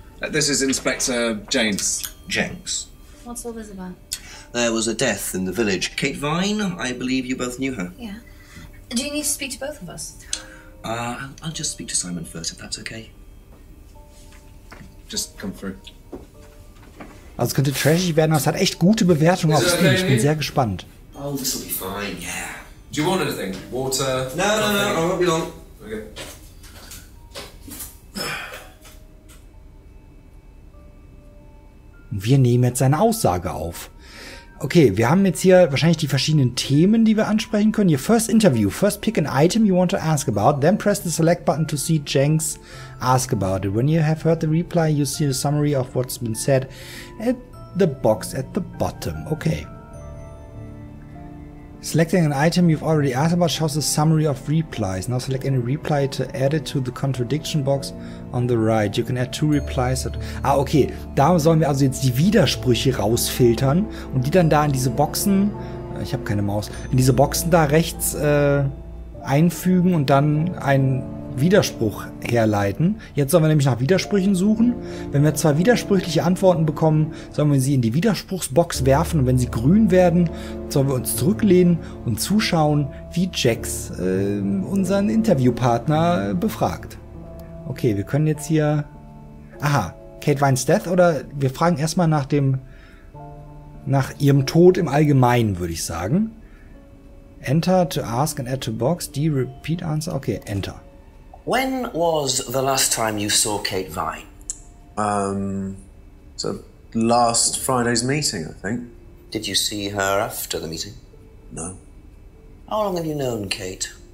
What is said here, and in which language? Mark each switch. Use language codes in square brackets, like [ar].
[en] This is Inspector James. Jenks. What's all this about? There was a death in the village. Kate Vine, I believe you both knew her. Yeah. Do you need to speak to both of us? I'll just speak to Simon first, if that's okay. Just come through. [de] Also es könnte trashig werden, aber es hat echt gute Bewertungen auf Steam. Ich bin sehr gespannt. [en] Oh, this will be fine, yeah. Do you want anything? Water? No, I won't be long. Okay. [de] Wir nehmen jetzt seine Aussage auf. Okay, wir haben jetzt hier wahrscheinlich die verschiedenen Themen, die wir ansprechen können. [en] Your first interview. First pick an item you want to ask about. Then press the select button to see Jenks ask about it. When you have heard the reply, you see a summary of what's been said at the box at the bottom. Okay. Selecting an item you've already asked about shows a summary of replies. Now select any reply to add it to the contradiction box on the right. You can add two replies. Ah, okay. [de] Da sollen wir also jetzt die Widersprüche rausfiltern und die dann da in diese Boxen, ich habe keine Maus, in diese Boxen da rechts einfügen und dann einen Widerspruch herleiten. Jetzt sollen wir nämlich nach Widersprüchen suchen. Wenn wir zwei widersprüchliche Antworten bekommen, sollen wir sie in die Widerspruchsbox werfen und wenn sie grün werden, sollen wir uns zurücklehnen und zuschauen, wie Jax unseren Interviewpartner befragt. Okay, wir können jetzt hier... Aha, Kate Vines Death oder wir fragen erstmal nach dem... nach ihrem Tod im Allgemeinen, würde ich sagen. [en] Enter to ask and add to box. D, repeat answer. Okay, enter. When was the last time you saw Kate Vine? So last Friday's meeting, I think. Did you see her after the meeting? No. How long have you known Kate?